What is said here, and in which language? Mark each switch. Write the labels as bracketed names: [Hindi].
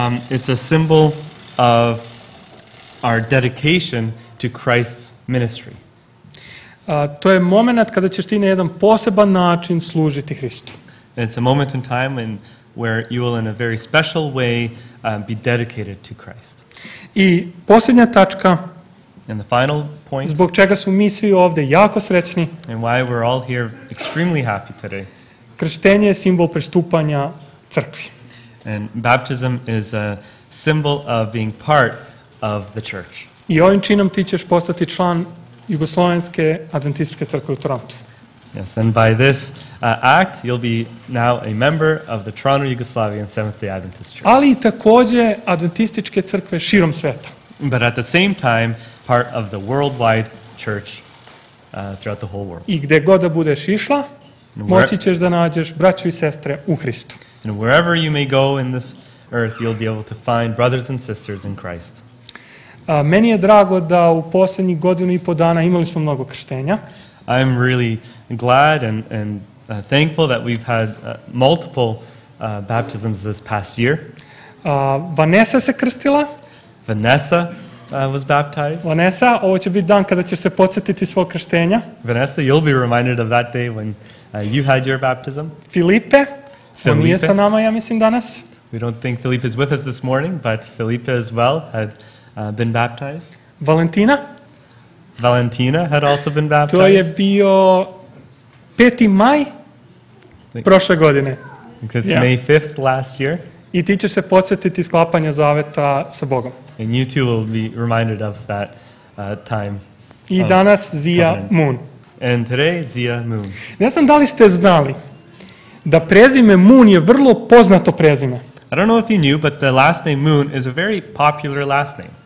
[English] It's a symbol of our dedication to Christ's ministry. [Serbian] To je moment kada ćeš ti na jedan poseban način služiti Hristu. [English] It's a moment in time when where you will in a very special way be dedicated to Christ. [Serbian] I posljednja tačka. [English] And the final point. [Serbian] Zbog čega su mi svi ovdje jako srećni. [English] And why we're all here extremely happy today. [Serbian] Krštenje je simbol pristupanja crkvi. [English] And baptism is a symbol of being part of the church. [Serbian] I ovim činom ti ćeš postati član Jugoslovenske adventističke crkve u Torontu. [English] Yes, and by this act, you'll be now a member of the Toronto Yugoslavian Seventh-day Adventist Church. [Serbian] Ali i također adventističke crkve širom sveta. [English] But at the same time, part of the worldwide church throughout the whole world. [Serbian] I gde god da budeš išla, Moći ćeš da nađeš braću I sestre u Hristu. [English] And wherever you may go in this earth, you'll be able to find brothers and sisters in Christ. [Serbian] Meni je drago da u posljednjih godinu I pol dana imali smo mnogo krštenja. [English] I'm really glad and thankful that we've had multiple baptisms this past year. [Serbian] Vanessa se krstila. [English] Vanessa was baptized. [Serbian] Vanessa, ovo će biti dan kada ćeš se podsjetiti svog krštenja. [English] Vanessa, you'll be reminded of that day when you had your baptism. [Serbian] Filipe, on nije sa nama, ja mislim, danas. [English] We don't think Filipe is with us this morning, but Filipe as well had been baptized. [Serbian] Valentina. [English] Valentina had also been baptized. [Serbian] To je bio 5. maj prošle godine. [English] It's yeah. May 5th last year. [Serbian] I ti ćeš se podsjetiti sklapanja zaveta sa Bogom. [English] And you too will be reminded of that time. [Serbian] I danas Zija Moon. [English] And today Zija Moon. [Serbian] Ne znam da li ste znali da prezime Moon je vrlo poznato prezime. [English] I don't know if you knew, but the last name Moon is a very popular last name.